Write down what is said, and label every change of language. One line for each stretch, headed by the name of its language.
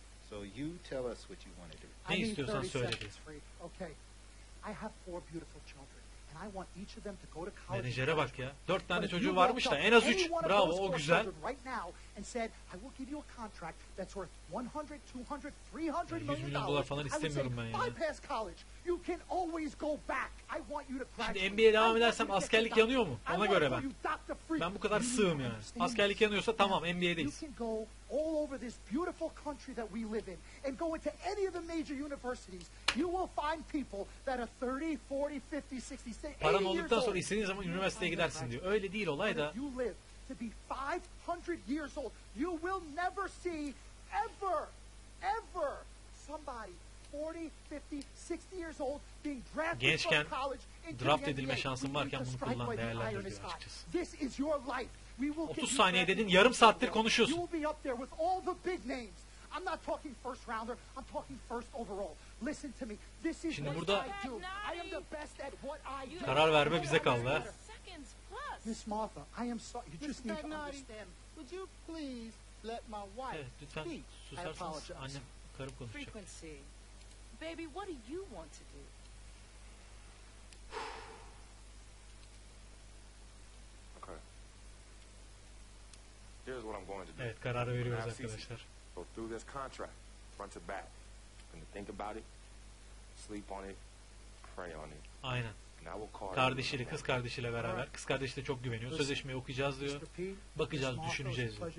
English: So you tell us what you want to do.
Turkish: Ne istiyorsan söyle.
English: Okay. I have four beautiful children and I want each of them to go to college.
Turkish: Menajere bak ya. 4 tane çocuğu varmış da en az 3. Bravo, o güzel.
English: Right now and said I will give you a contract that's worth 100, 200, 300 million.
Turkish: Yüz milyon dolar falan istemiyorum ben yani.
English: Bypass college. You can always go back. I want you to graduate.
Turkish: Şimdi NBA'ye devam edersem askerlik yanıyor mu? Ona göre ben. Ben bu kadar sığım yani. Askerlik yanıyorsa tamam, NBA'deyiz.
English: All over this beautiful country that we live in and go into any of the major universities, you will find people that are 30, 40, 50, 60, 80 years old.
Turkish: Paran olduktan sonra istediğin zaman üniversiteye gidersin diyor. Öyle değil olay da.
English: You live to be 500 years old. You will never see ever, ever somebody 40, 50, 60 years old being drafted from college into the NBA.
Turkish: Draft edilme şansın varken bunu kullan, değerlendir diyor açıkçası.
English: This is your life.
Turkish: 30 saniye dedin, yarım saattir konuşuyorsun.
English: You'll be up there with all the big names. I'm not talking first rounder. I'm talking first overall. Listen to me. This is what I do. I am the best at what I do.
Turkish: Karar verme bize kaldı.
English: Miss Martha, I am sorry. You just need to understand. Would you please let my wife speak?
Turkish: Lütfen susarsanız annem, karım konuşacak.
English: Frequency. Baby, what do you want to do? Here's what I'm going to do.
Turkish: Evet, kararı veriyoruz arkadaşlar.
English: Go through this contract, front to back. And think about it, sleep on it, pray on it.
Turkish: Aynen. Kardeşiyle, kız kardeşiyle beraber. Kız kardeşi de çok güveniyor. Sözleşmeyi okuyacağız diyor. Bakacağız, düşüneceğiz.